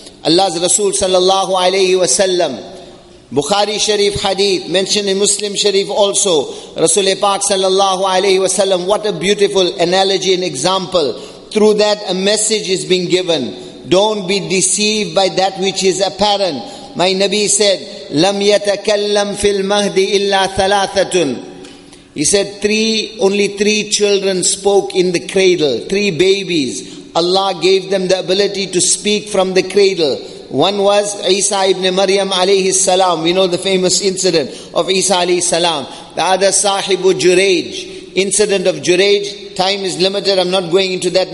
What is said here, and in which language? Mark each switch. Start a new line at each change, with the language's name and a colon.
English: Allah's Rasul sallallahu alayhi wa sallam, Bukhari Sharif hadith, mentioned in Muslim Sharif also, Rasul Pak sallallahu alayhi wa sallam, what a beautiful analogy and example. Through that a message is being given. Don't be deceived by that which is apparent. My Nabi said,
Arabic: لَمْ يَتَكَلَّمْ فِي الْمَهْدِ إِلَّا ثَلَاثَةٌ.
English: He said, only three children spoke in the cradle. Three babies. Allah gave them the ability to speak from the cradle. One was Isa ibn Maryam alayhi salam. We know the famous incident of Isa alayhi salam. The other, Sahibu Juraj. Incident of Juraj. Time is limited. I'm not going into that.